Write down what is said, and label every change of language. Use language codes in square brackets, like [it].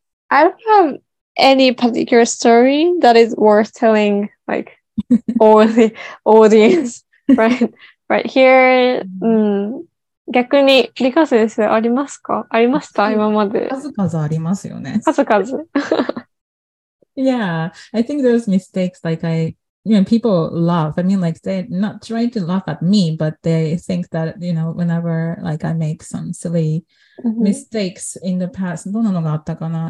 [en] I don't have any particular story that is worth telling, like, all the audience right here. Mm. [ja] 逆に、リカ先生、ありますか？ありました？今まで。数々ありますよね。数々。 [en] Yeah, I think those mistakes, like I, you know, people laugh. I mean, like, they're not trying to laugh at me, but they think that, you know, whenever, like, I make some silly mistakes in the past, [ja] どんなのがあったかな？